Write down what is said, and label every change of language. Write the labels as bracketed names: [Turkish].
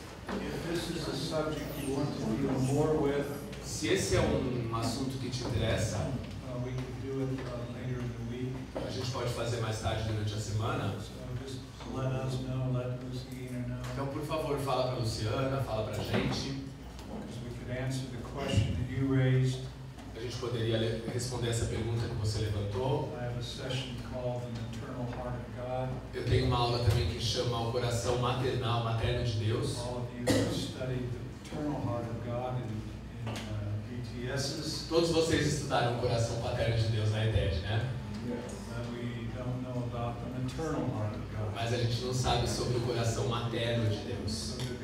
[English] If this is a subject you want to deal more with, [Portuguese] se esse é um assunto que te interessa, [English] we can do it later in the week. [Portuguese] A gente pode fazer mais tarde durante a semana. [English] Let us know, let Luciana know. [Portuguese] Então, por favor, fala para a Luciana, fala para a gente. [English] We could answer the question that you raised. [Portuguese] A gente poderia responder essa pergunta que você levantou. [English] I have a session called an eternal heart of God. [Portuguese] Eu tenho uma aula também que chama o coração maternal, materno de Deus. [English] All of you have studied the eternal heart of God in BTSs. [Portuguese] Todos vocês estudaram o coração materno de Deus na ETED, né? [English] Yes. We don't know about the maternal heart. [Portuguese] Mas a gente não sabe sobre o coração materno de Deus.